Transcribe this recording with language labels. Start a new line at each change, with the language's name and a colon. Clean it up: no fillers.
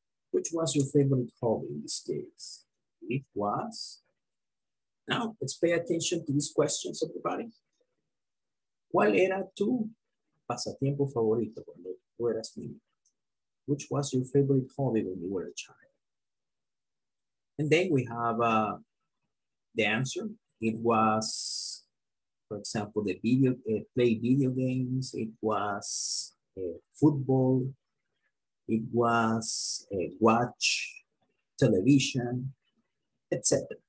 English: Which was your favorite hobby in this case? It was. Now, let's pay attention to these questions, everybody.
Spanish: ¿Cuál era tu pasatiempo favorito cuando tú eras niño?
English: Which was your favorite hobby when you were a child? And then we have the answer. It was, for example, the video play video games. It was football. It was watch television, etc.